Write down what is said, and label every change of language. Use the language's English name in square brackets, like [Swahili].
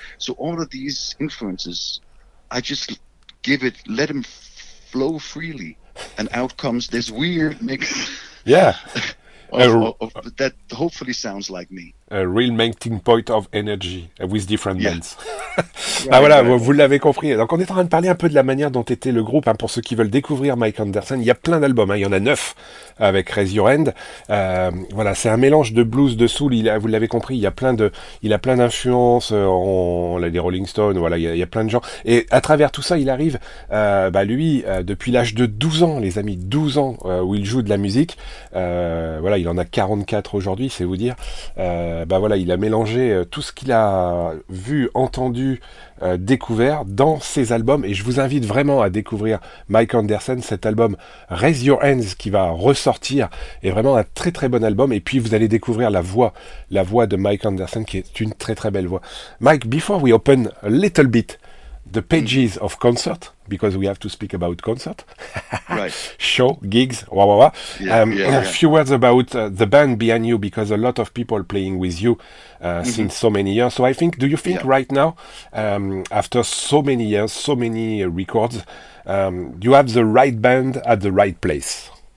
[English] So all of these influences, I just let them flow freely, and out comes this weird mix. Yeah. That hopefully sounds like me. A real melting pot of energy with different bands. [French] Ah voilà, vous l'avez compris. Donc on est en train de parler un peu de la manière dont était le groupe. Hein, pour ceux qui veulent découvrir Mike Anderson, il y a plein d'albums. Hein, il y en a 9 avec Raise Your Hand. Voilà, c'est un mélange de blues, de soul. Vous l'avez compris, il a plein d'influences. On a des Rolling Stones. Voilà, il y a plein de gens. Et à travers tout ça, il arrive, depuis l'âge de 12 ans, les amis, 12 ans où il joue de la musique. Voilà, il en a 44 aujourd'hui, c'est vous dire. Il a mélangé tout ce qu'il a vu, entendu, découvert dans ses albums. Et je vous invite vraiment à découvrir Mike Anderson, cet album Raise Your Hands qui va ressortir. Est vraiment un très très bon album. Et puis vous allez découvrir la voix de Mike Anderson qui est une très très belle voix. [English] Mike, before we open a little bit the pages of concert, because we have to speak about concert, right? Show, gigs, a few words about the band behind you, because a lot of people playing with you since so many years. So I think, do you think right now, after so many years, so many records, you have the right band at the right place?